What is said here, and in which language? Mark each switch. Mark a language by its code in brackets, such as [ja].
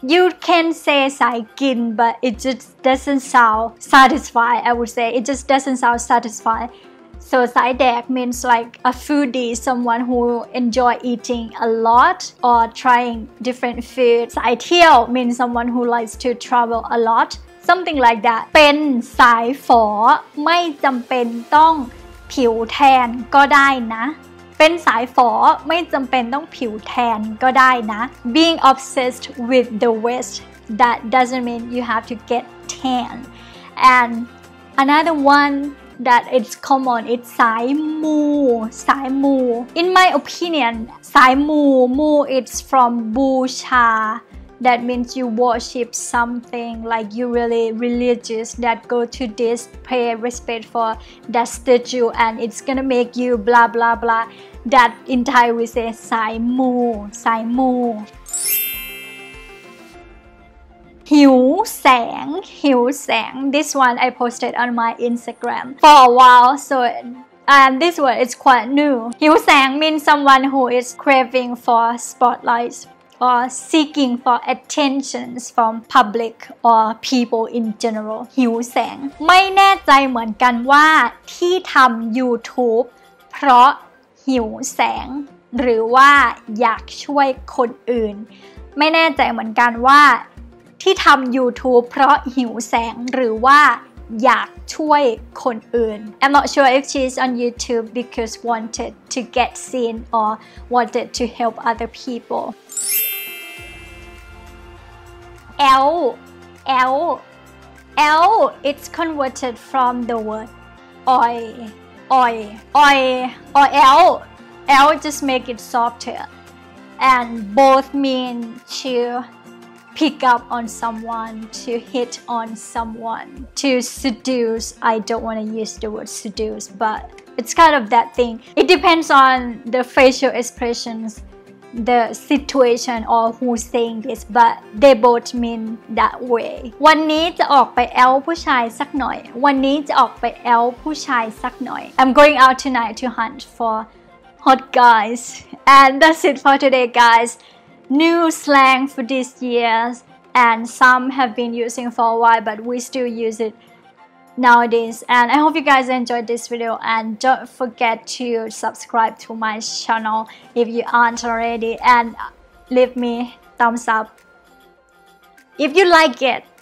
[en] You can say Sai Gin, but it just doesn't sound satisfied, I would say. It just doesn't sound satisfied. So Sai Dak means like a foodie, someone who enjoy eating a lot or trying different food. Sai Thiao means someone who likes to travel a lot. Something like that. [th] เป็นสายฝอไม่จำเป็นต้องผิวแทนก็ได้นะเป็นสายฝอไม่จำเป็นต้องผิวแทนก็ได้นะ [en] Being obsessed with the West, that doesn't mean you have to get tan. And another one,that it's common it's sai mu sai mu in my opinion sai mu mu it's from bucha that means you worship something like you really religious that go to this pay respect for that statue and it's gonna make you blah blah blah that in Thai we say sai mu sai mu หิวแสงหิวแสงThis one I posted on my Instagram for a while, so and this word is quite new. Hiusang means someone who is craving for spotlights or seeking for attentions from public or people in general. Hiusang. [th] ไม่แน่ใจเหมือนกันว่าที่ทำ YouTube เพราะหิวแสงหรือว่าอยากช่วยคนอื่นไม่แน่ใจเหมือนกันว่าที่ทำ YouTube เพราะหิวแสงหรือว่าอยากช่วยคนอื่น [en] I'm not sure if she's on YouTube because wanted to get seen or wanted to help other people L L L it's converted from the word oil. L just make it softer, and both mean to pick up on someone, to hit on someone, to seduce. I don't want to use the word seduce, but it's kind of that thing. It depends on the facial expressions, the situation, or who's saying this, but they both mean that way. [th] วันนี้จะออกไปแอลผู้ชายสักหน่อย วันนี้จะออกไปแอลผู้ชายสักหน่อย [en] I'm going out tonight to hunt for hot guys. And that's it for today, guys. New slang for this year, and some have been using for a while, but we still use it nowadays. And I hope you guys enjoyed this video, and don't forget to subscribe to my channel if you aren't already, and leave me thumbs up if you like it.